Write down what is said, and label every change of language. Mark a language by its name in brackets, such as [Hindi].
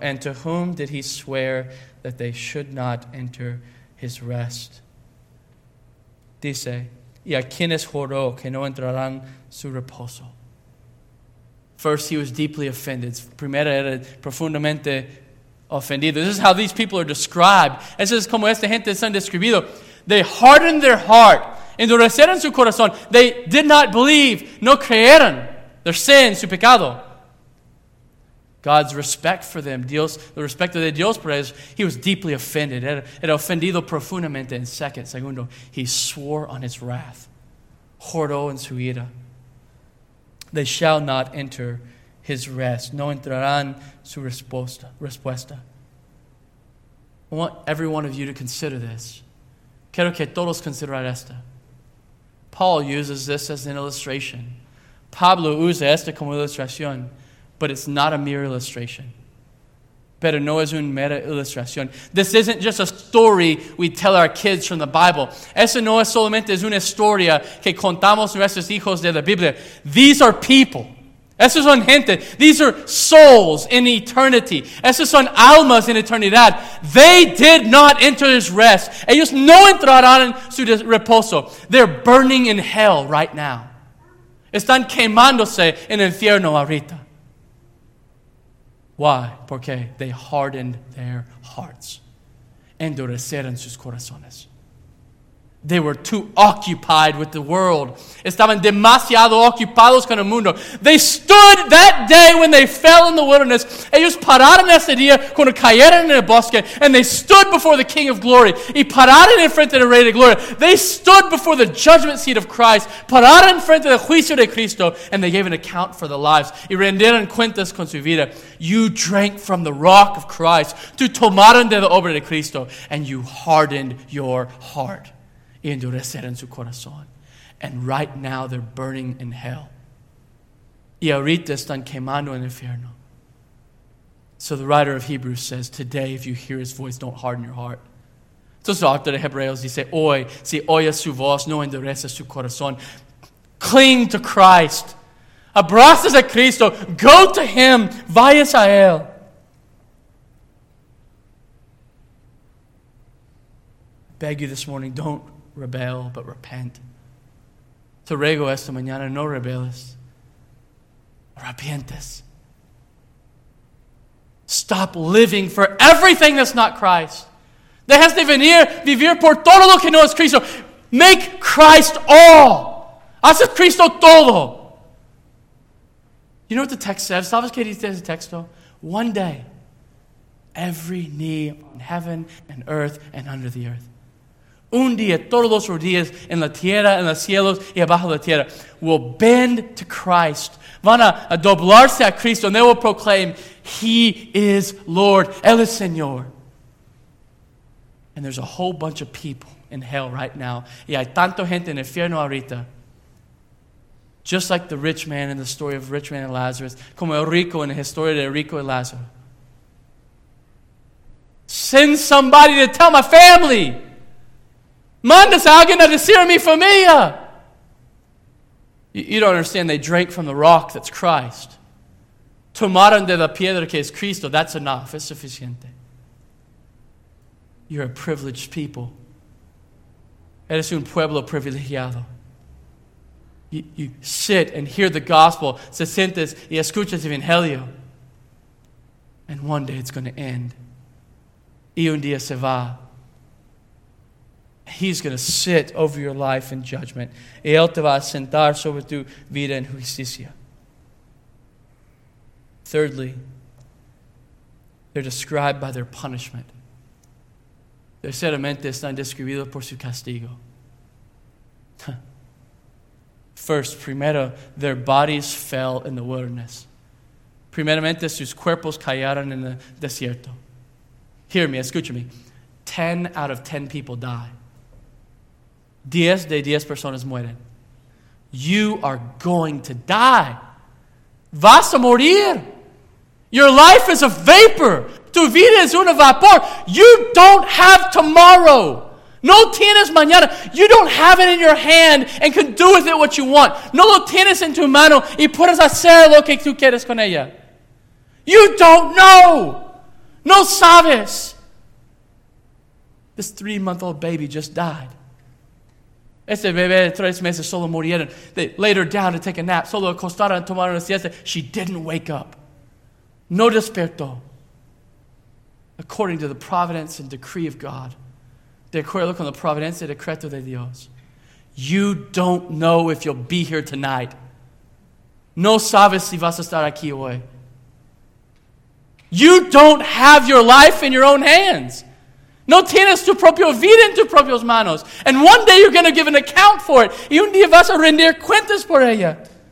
[English] And to whom did he swear that they should not enter his rest? [Spanish] Dice, ¿y a quiénes juró que no entrarán su reposo? [English] First, he was deeply offended. [Spanish] Primero, era profundamente ofendido. [English] This is how these people are described. [Spanish] Eso es como esta gente son describido. [English] They hardened their heart. [Spanish] Endurecieron su corazón. [English] They did not believe. [Spanish] No creyeron. [English] Their sin, [Spanish] su pecado. [English] God's respect for them. [Spanish] Dios, el respeto de Dios por ellos. [English] He was deeply offended. [Spanish] Era ofendido profundamente. [English] En second, segundo, he swore on his wrath. [Spanish] Juró en su ira. [English] They shall not enter his rest. [Spanish] No entrarán su respuesta. [English] I want every one of you to consider this. Quiero que todos consideren esto. Paul uses this as an illustration. [Spanish] Pablo usa esto como ilustración, [English] but it's not a mere illustration. [Spanish] Pero no es una mera ilustración. [English] This isn't just a story we tell our kids from the Bible. [Spanish] Eso no es solamente una historia que contamos nuestros hijos de la Biblia. [English] These are people. [Spanish] Esos son gente. [English] These are souls in eternity. [Spanish] Esos son almas en eternidad. [English] They did not enter his rest. [Spanish] Ellos no entrarán en su reposo. [English] They're burning in hell right now. [Spanish] Están quemándose en el infierno ahorita. [English] Why? Porque they hardened their hearts. [Spanish] Endurecieron sus corazones. [English] They were too occupied with the world. [Spanish] Estaban demasiado ocupados con el mundo. [English] They stood that day when they fell in the wilderness. [Spanish] Ellos pararon ese día cuando cayeron en el bosque. [English] And they stood before the King of Glory. [Spanish] Y pararon en frente del Rey de Gloria. [English] They stood before the judgment seat of Christ. [Spanish] Pararon en frente del juicio de Cristo. [English] And they gave an account for their lives. [Spanish] Y rendieron cuentas con su vida. [English] You drank from the rock of Christ. [Spanish] Tú tomaron de la obra de Cristo. [English] And you hardened your heart. [Spanish] Y endurecieron su corazón. [English] And right now they're burning in hell. [Spanish] Y ahorita están quemando en el infierno. [English] So the writer of Hebrews says, today if you hear his voice, don't harden your heart. [Spanish] Entonces el autor de Hebreos dice, hoy, si oyes su voz, no endureces su corazón. [English] Cling to Christ. [Spanish] Abrazas a Cristo. [English] Go to him. [Spanish] Vayas a él. [English] I beg you this morning, don't rebel, but repent. [Spanish] Te ruego esta mañana, no rebeles. Arrepientes. [English] Stop living for everything that's not Christ. [Spanish] Dejas de venir, vivir por todo lo que no es Cristo. [English] Make Christ all. [Spanish] Haz a Cristo todo. [English] You know what the text says? [Spanish] ¿Sabes qué dice ese texto? [English] One day, every knee on heaven and earth and under the earth. [Spanish] Un día, todos los rodillas en la tierra, en los cielos y abajo de la tierra [English] will bend to Christ. [Spanish] Van a doblarse a Cristo [English] and they will proclaim, He is Lord, [Spanish] Él es Señor. [English] And there's a whole bunch of people in hell right now. [Spanish] Y hay tanto gente en el infierno ahorita. [English] Just like the rich man in the story of rich man and Lazarus. [Spanish] Como el rico en la historia de rico y Lázaro. [English] Send somebody to tell my family. [Spanish] Mandas a alguien a decir a mi familia. [English] You don't understand. They drank from the rock that's Christ. [Spanish] Tomaron de la piedra que es Cristo. [English] That's enough. [Spanish] Es suficiente. [English] You're a privileged people. [Spanish] Eres un pueblo privilegiado. [English] You sit and hear the gospel. [Spanish] Se sientes y escuchas el evangelio. [English] And one day it's going to end. [Spanish] Y un día se va. [English] He's going to sit over your life in judgment. [Spanish] Y él te va a sentar sobre tu vida en justicia. [English] Thirdly, they're described by their punishment. [Spanish] Terceramente están describidos por su castigo. [English] First, [Spanish] primero, [English] their bodies fell in the wilderness. [Spanish] Primeramente, sus cuerpos cayeron en el desierto. [English] Hear me, [Spanish] escucha me. [English] 10 out of 10 people die. [Spanish] 10 de 10 personas mueren. [English] You are going to die. [Spanish] Vas a morir. [English] Your life is a vapor. [Spanish] Tu vida es un vapor. [English] You don't have tomorrow. [Spanish] No tienes mañana. [English] You don't have it in your hand and can do with it what you want. [Spanish] No lo tienes en tu mano y puedes hacer lo que tú quieres con ella. [English] You don't know. [Spanish] No sabes. [English] This 3-month-old baby just died. [Spanish] Este bebé de 3 meses solo murieron. [English] They laid her down to take a nap. [Spanish] Solo acostaron a tomar una siesta. [English] She didn't wake up. [Spanish] No despertó. [English] According to the providence and decree of God. [Spanish] De acuerdo con la providencia y decreto de Dios. [English] You don't know if you'll be here tonight. [Spanish] No sabes si vas a estar aquí hoy. [English] You don't have your life in your own hands. [Spanish] No tienes tu propio vida en tus propias manos. [English] And one day you're going to give an account for it. [Spanish] Y un día vas a rendir cuentas por ella.